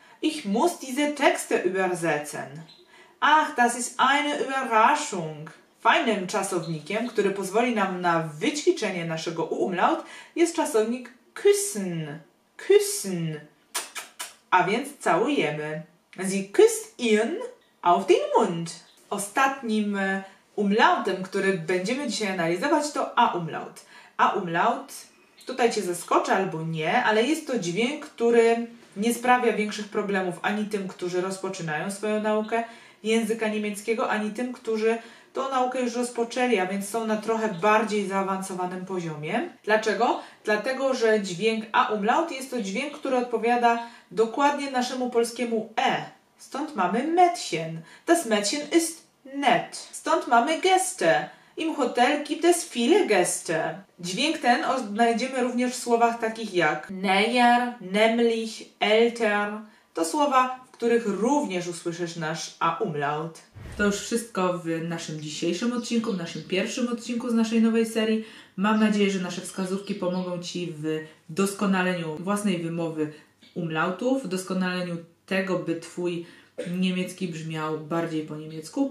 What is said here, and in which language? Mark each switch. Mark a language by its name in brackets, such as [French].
[German] Ich muss diese Texte übersetzen. Ach, das ist eine Überraschung. [Polish] Fajnym czasownikiem, który pozwoli nam na wyćwiczenie naszego u-umlaut, jest czasownik küssen. Küssen. A więc całujemy. [German] Sie küsst ihn auf den Mund. [Polish] Ostatnim umlautem, który będziemy dzisiaj analizować, to a-umlaut. A-umlaut, tutaj Cię zaskoczę albo nie, ale jest to dźwięk, który nie sprawia większych problemów ani tym, którzy rozpoczynają swoją naukę języka niemieckiego, ani tym, którzy tą naukę już rozpoczęli, a więc są na trochę bardziej zaawansowanym poziomie. Dlaczego? Dlatego, że dźwięk a-umlaut jest to dźwięk, który odpowiada dokładnie naszemu polskiemu e. Stąd mamy [German] Mädchen. Das Mädchen ist nett. [Polish] Stąd mamy Gäste. [German] Im Hotel gibt es viele Gäste. [Polish] Dźwięk ten znajdziemy również w słowach takich jak näher, nämlich, älter. To słowa, w których również usłyszysz nasz a-umlaut. To już wszystko w naszym dzisiejszym odcinku, w naszym pierwszym odcinku z naszej nowej serii. Mam nadzieję, że nasze wskazówki pomogą Ci w doskonaleniu własnej wymowy umlautów, w doskonaleniu tego, by Twój niemiecki brzmiał bardziej po niemiecku.